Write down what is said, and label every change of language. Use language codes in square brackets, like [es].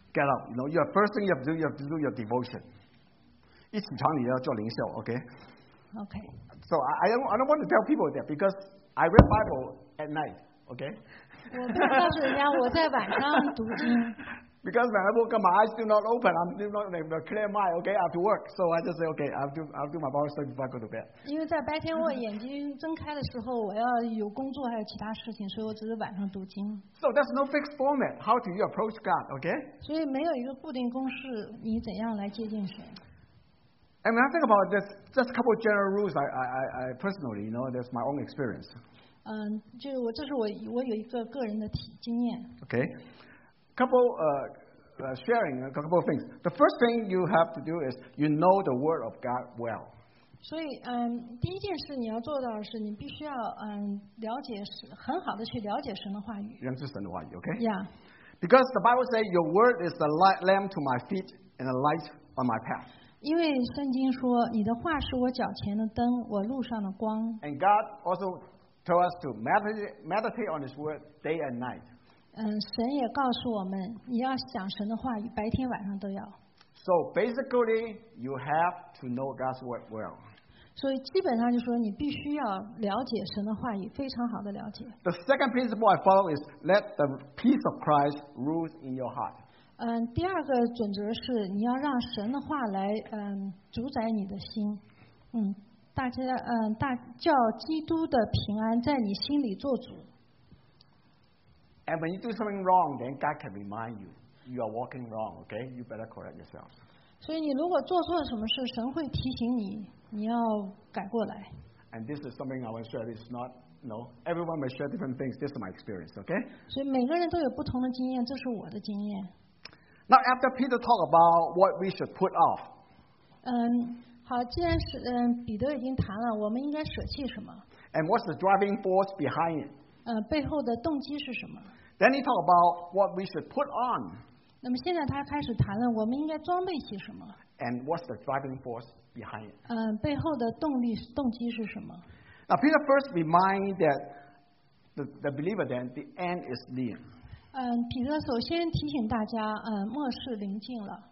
[en] get up, you know, your first thing you have to do your devotion. [zh] 一起床你要做灵修 okay? [en] Okay. So I don't want to tell people that because I read Bible at night, okay? [zh] 我不告诉人家我在晚上读经。 [en] Because when I woke up, my eyes still not open. I'm still not like a clear mind, okay? I have to work. So I just say, okay, I'll do my Bible study before I go to bed. Because in the morning, when my eyes are opened, I have to have work and other things. So I just read the Bible at night. So there's no fixed format. How do you approach God, okay? So there's no fixed format. How do you approach God, okay? And when I think about this, just a couple of general rules, I personally, you know, that's my own experience. [zh] 这是我有一个个人的经验。 [en] Okay. Sharing a couple of things. The first thing you have to do is you know the word of God well. [zh] 所以第一件事你要做到的是你必须要了解很好的去了解神的话语。认识神的话语 ，okay? [en] Yeah. Because the Bible says your word is the light lamp to my feet and a light on my path. [zh] 因为圣经说你的话是我脚前的灯，我路上的光。 [en] And God also tells us to meditate on His word day and night. [zh] 神也告诉我们你要想神的话白天晚上都要 [en] So basically you have to know God's word well [zh] 所以基本上就说你必须要了解神的话语非常好的了解 [en] The second principle I follow is let the peace of Christ rule in your heart [zh] 第二个准则是你要让神的话来主宰你的心大家叫基督的平安在你心里做主 [en] And when you do something wrong, then God can remind you, you are walking wrong, okay? You better correct yourself. [zh] 所以你如果做错了什么事，神会提醒你，你要改过来。 [en] And this is something I want to share. It's not, no. Everyone may share different things. This is my experience, okay? [zh] 所以每个人都有不同的经验，这是我的经验。 [en] Now, after Peter talked about what we should put off. [zh] 好，既然是彼得已经谈了，我们应该舍弃什么 [en] ？And what's the driving force behind it? [zh] 背后的动机是什么 [en] Then he talked about what we should put on. [zh] 那么现在他开始谈论我们应该装备些什么 [en] And what's the driving force behind it? [zh] 背后的动机是什么 [en] Now Peter first reminded that the believer then the end is near. [zh] 彼得首先提醒大家末世临近了